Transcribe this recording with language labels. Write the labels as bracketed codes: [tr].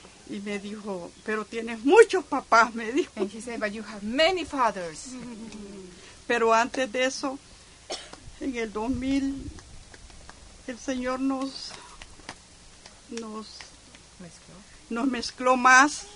[es] Y me dijo, pero tienes muchos papás, me dijo. [en] And he said, but you have many fathers. [es] Pero antes de eso, en el 2000, el Señor nos mezcló más.